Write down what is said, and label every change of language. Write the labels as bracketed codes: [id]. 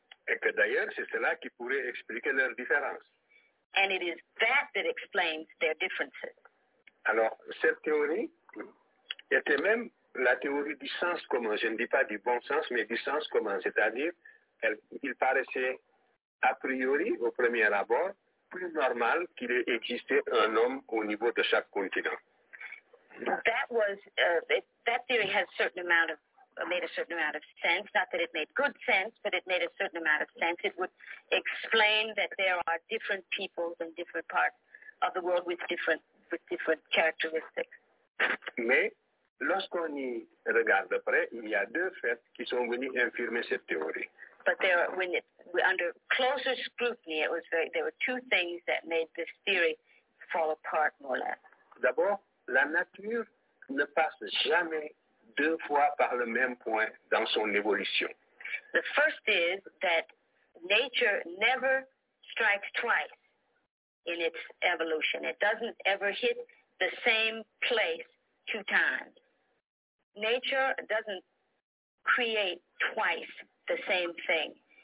[fr] Et que d'ailleurs, c'est cela qui pourrait expliquer leur différence. [en] And it is that that explains their differences. [fr] Alors, cette théorie était même la théorie du sens commun. Je ne dis pas du bon sens, mais du sens commun. C'est-à-dire, il paraissait a priori, au premier abord, plus normal qu'il ait existé un homme au niveau de chaque continent. [en] That was that theory has certain amount of made a certain amount of sense. Not that it made good sense, but it made a certain amount of sense. It would explain that there are different peoples in different parts of the world with different characteristics. [fr] Mais lorsqu'on y regarde près, il y a deux faits qui sont venus infirmer cette théorie. [en] But there, under closer scrutiny, there were two things that made this theory fall apart more or less. [fr] D'abord, la nature ne passe jamais deux fois par le même point dans son évolution. [en] The first is that nature never strikes twice in its evolution. It doesn't ever hit the same place two times. Nature doesn't create twice the same thing.